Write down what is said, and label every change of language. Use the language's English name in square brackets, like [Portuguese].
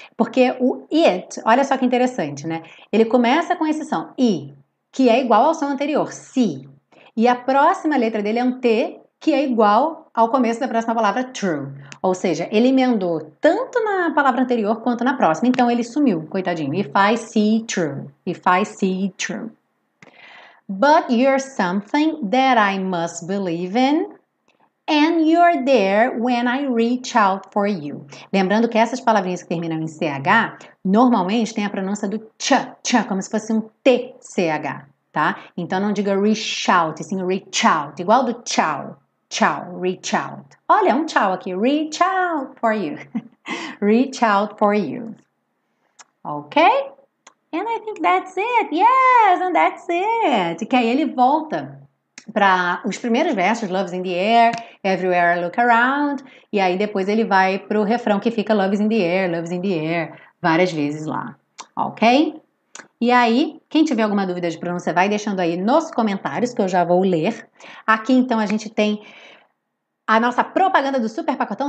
[Portuguese] Porque o it, olha só que interessante, né? Ele começa com esse som, i, que é igual ao som anterior, see. E a próxima letra dele é um t, que é igual ao começo da próxima palavra, true. Ou seja, ele emendou tanto na palavra anterior quanto na próxima. Então, ele sumiu, coitadinho. [English] If I see true. If I see true. But you're something that I must believe in. And you're there when I reach out for you. [Portuguese] Lembrando que essas palavrinhas que terminam em CH, normalmente tem a pronúncia do ch, ch, como se fosse um TCH, tá? Então, não diga [English] reach out, [Portuguese] sim reach out. Igual do tchau. Tchau, [English] reach out. [Portuguese] Olha, um tchau aqui. [English] Reach out for you. Reach out for you. Ok? And I think that's it. Yes, and that's it. [Portuguese] Que aí ele volta para os primeiros versos. [English] Love's in the air, everywhere I look around. [Portuguese] E aí depois ele vai pro refrão que fica [English] love's in the air, [Portuguese] várias vezes lá. Ok? E aí, quem tiver alguma dúvida de pronúncia, vai deixando aí nos comentários, que eu já vou ler. Aqui, então, a gente tem a nossa propaganda do Super Pacotão.